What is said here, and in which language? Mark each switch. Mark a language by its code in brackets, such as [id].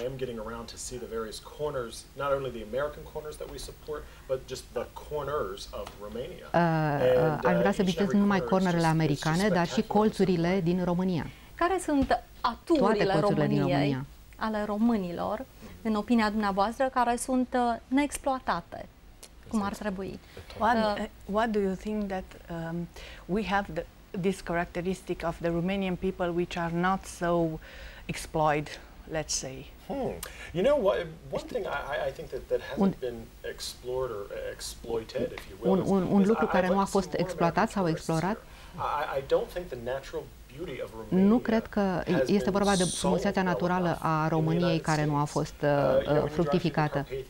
[en] I am getting around to see the various corners, not only the American corners that we support, but just the corners of Romania. [ro] Aș vrea să vizitez nu numai cornerele americane, dar și colțurile din România. Care sunt aturile României, ale românilor, în opinia dumneavoastră, care sunt neexploatate? Cum ar trebui? [en] What do you think that we have the this characteristic of the Romanian people which are not so exploited, let's say. You know what, one thing I think that hasn't been explored or exploited, if you will. [ro] Un lucru care nu a fost exploatat sau explorat. [en] I don't think the natural [ro] Nu cred că este vorba de frumusețea naturală a României care nu a fost fructificată.